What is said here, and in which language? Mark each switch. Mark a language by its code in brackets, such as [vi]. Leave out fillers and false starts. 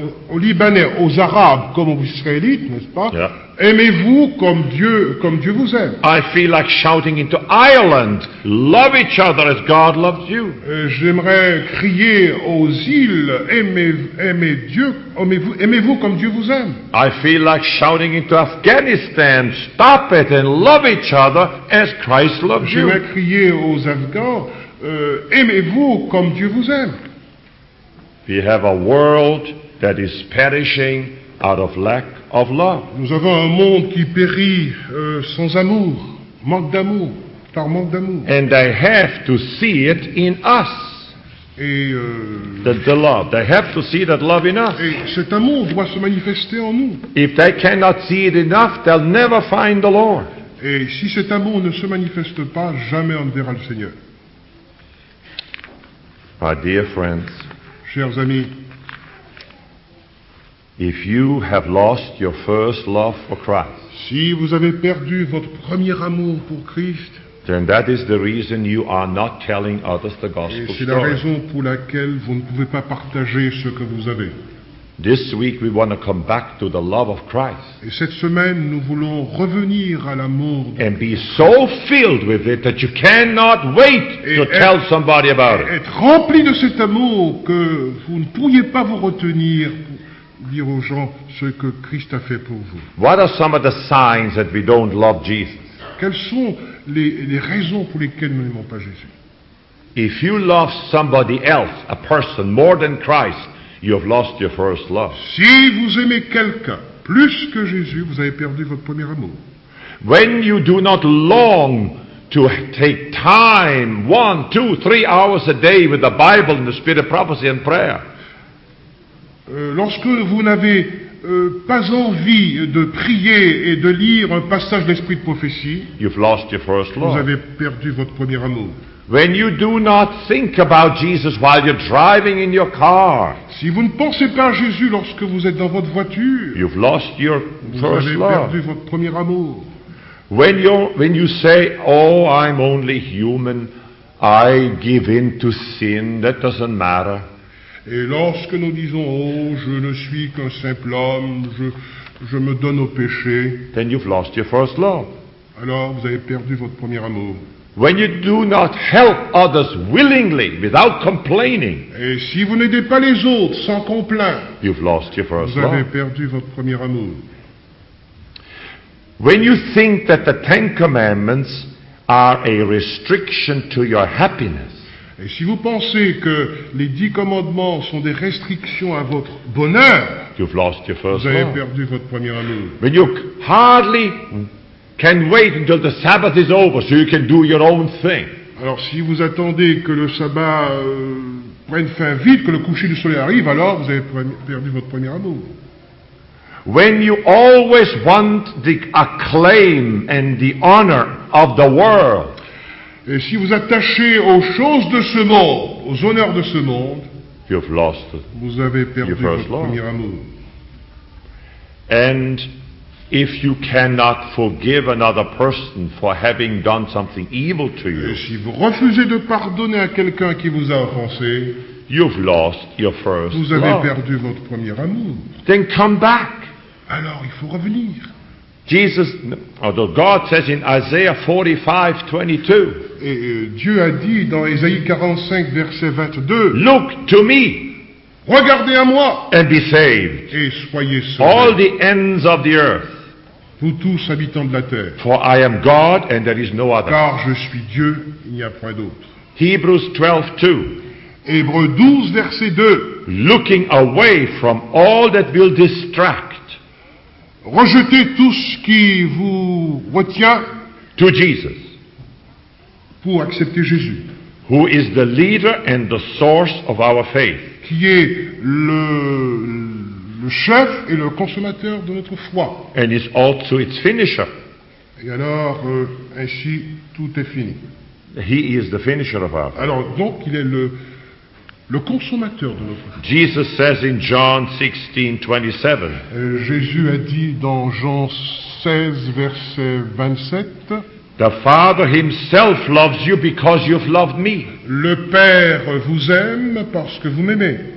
[fr] Aux Libanais, aux Arabes, comme aux Israélites, n'est-ce pas? [en] Yeah. [fr] Aimez-vous comme Dieu vous aime. [en] I feel like shouting into Ireland, love each other as God loves you. [fr] J'aimerais crier aux îles, aimez-vous comme Dieu vous aime. [en] I feel like shouting into Afghanistan, stop it and love each other as Christ loves you. [fr] J'aimerais crier aux Afghans, aimez-vous comme Dieu vous aime. [en] We have a world that is perishing out of lack of love. [fr] Nous avons un monde qui périt sans amour, manque d'amour, par manque d'amour. [en] And they have to see it in us. [fr] Et [en] the love. They have to see that love in us. [fr] Et cet amour doit se manifester en nous. [en] If they cannot see it enough, they'll never find the Lord. [fr] Et si cet amour ne se manifeste pas, jamais on ne verra le Seigneur. [en] My dear friends, [fr] chers amis, [en] if you have lost your first love for Christ, [fr] si vous avez perdu votre premier amour pour Christ, [en] then that is the reason you are not telling others the gospel story. [fr] Et c'est la raison pour laquelle vous ne pouvez pas partager ce que vous avez. [en] This week we want to come back to the love of Christ. [fr] Et cette semaine nous voulons revenir à l'amour de Christ. [en] And be so filled with it that you cannot wait to tell somebody about it. [fr] Être rempli de cet amour que vous ne pourriez pas vous retenir pour dire aux gens ce que Christ a fait pour vous. [en] What are some of the signs that we don't love Jesus? [fr] Quelles sont les raisons pour lesquelles nous n'aimons pas Jésus? [en] If you love somebody else, a person more than Christ, you have lost your first love. [fr] Si vous aimez quelqu'un plus que Jésus, vous avez perdu votre premier amour. [en] When you do not long to take time, 1, 2, 3 hours a day with the Bible and the Spirit of prophecy and prayer. [fr] Lorsque vous n'avez pas envie de prier et de lire un passage de l'Esprit de prophétie, [en] you've lost your first love. [fr] Vous avez perdu votre premier amour. [en] When you do not think about Jesus while you're driving in your car, [fr] si vous ne pensez pas à Jésus lorsque vous êtes dans votre voiture, [en] you've lost your first love. [fr] Vous avez perdu votre premier amour. [en] When you say, "Oh, I'm only human, I give in to sin, that doesn't matter." [fr] Et lorsque nous disons, "Oh, je ne suis qu'un simple homme, je me donne au péché," [en] then you've lost your first love. [fr] Alors vous avez perdu votre premier amour. [en] When you do not help others willingly, without complaining, [fr] et si vous n'aidez pas les autres sans complaindre, [en] you've lost your first love. [fr] Vous avez perdu votre premier amour. [en] When you think that the Ten Commandments are a restriction to your happiness, [fr] et si vous pensez que les 10 commandements sont des restrictions à votre bonheur, [en] you've lost your first [fr] vous avez [en] love. [fr] Perdu votre premier amour. [en] When you hardly can wait until the Sabbath is over so you can do your own thing. [fr] Alors si vous attendez que le sabbat prenne fin vite, que le coucher du soleil arrive, alors vous avez perdu votre premier amour. [en] When you always want the acclaim and the honor of the world, [fr] et si vous attachez aux choses de ce monde, aux honneurs de ce monde, [en] you've lost [fr] vous avez perdu [en] your first [fr] votre [en] love. [fr] Premier amour. [en] And if you cannot forgive another person for having done something evil to you, [fr] et si vous refusez de pardonner à quelqu'un qui vous a offensé, [en] you've lost your first [fr] vous avez [en] love. [fr] Perdu votre premier amour. [en] Then come back. [fr] Alors il faut revenir. [en] Jesus, although God says in Isaiah 45:22, [fr] et Dieu a dit dans Ésaïe 45 verset 22, [en] look to me. [fr] Regardez à moi. [en] And be saved. [fr] Et soyez sauvés. [en] All the ends of the earth. [fr] Vous tous habitants de la terre. [en] For I am God and there is no other. [fr] Car je suis Dieu, il n'y a point d'autre. [en] Hebrews 12:2. [fr] Hébreux 12 verset 2. [en] Looking away from all that will distract. [fr] Rejetez tout ce qui vous retient. [en] To Jesus. [fr] Pour accepter Jésus. [en] Who is the leader and the source of our faith. [fr] Qui est le chef et le consommateur de notre foi. [en] And is also its finisher. [fr] Et alors, ainsi, tout est fini. [en] He is the finisher of our faith. [fr] Alors, donc, il est le consommateur de notre foi. [en] Jesus says in John 16:27. [fr] Jésus a dit dans Jean 16, verset 27. [en] The Father himself loves you because you've loved me. [fr] Le Père vous aime parce que vous m'aimez.